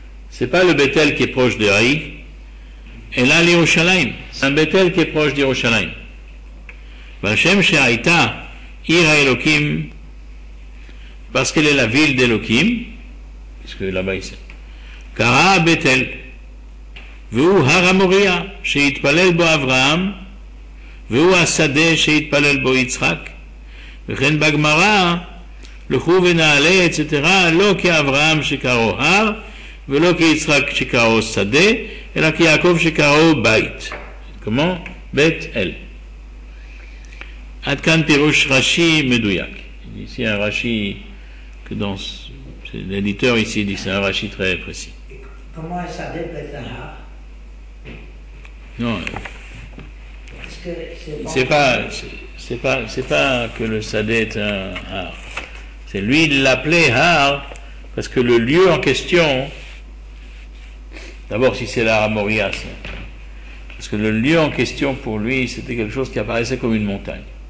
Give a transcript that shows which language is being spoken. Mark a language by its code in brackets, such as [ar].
[fr] C'est pas le Bethel qui est proche de Haï. Et là, l'Yerushalayim. C'est un Bethel qui est proche d'Yerushalayim. [he] Vashem She'aita Ira Elohim. [fr] Parce qu'elle est la ville d'Elohim. Parce que là-bas, ici. [he] Kara Bethel. והוא הר המוריה שהתפלל בו אברהם והוא השדה שהתפלל בו יצחק וכן בגמרא לכו ונעלה אצטרה לא כאברהם שקראו הר ולא כיצחק שקראו שדה אלא כיעקב שקראו בית כמו בית אל עד כאן פירוש רשי מדויק [fr] ici un רשי dans l'éditeur ici dit c'est un רשי très précis comment est-ce que ça dépend de Non. Est-ce que c'est, bon c'est pas que le Sadeh est un har. C'est lui, il l'appelait har, parce que le lieu en question, d'abord si c'est l'Har Moria, parce que le lieu en question pour lui, c'était quelque chose qui apparaissait comme une montagne.